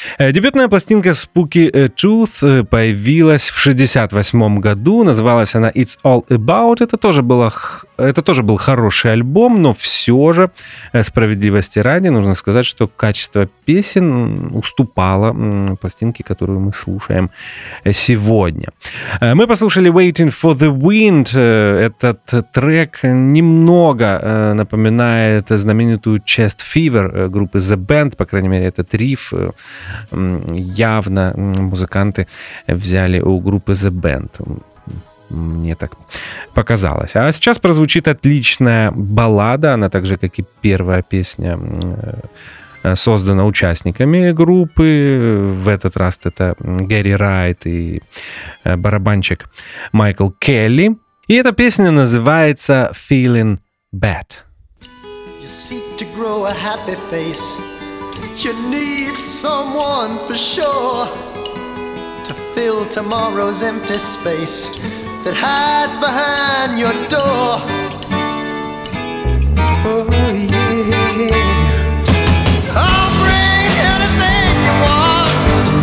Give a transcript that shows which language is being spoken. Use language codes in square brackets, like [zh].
[ru] Дебютная пластинка Spooky Tooth появилась в 68 году. Называлась она It's All About. Это тоже был хороший альбом, но все же, справедливости ради, нужно сказать, что качество песен уступало пластинке, которую мы слушаем сегодня. Мы послушали Waiting for the Wind. Этот трек немного напоминает знаменитую Chest Fever группы The Band. По крайней мере, этот риф явно музыканты взяли у группы The Band. Мне так показалось. А сейчас прозвучит отличная баллада. Она так же, как и первая песня, создана участниками группы. В этот раз это Гэри Райт и барабанщик Майкл Келли. И эта песня называется «Feeling Bad». [en] You seek to grow a happy face. You need someone for sure to fill tomorrow's empty space that hides behind your door. Oh yeah. I'll bring anything you want.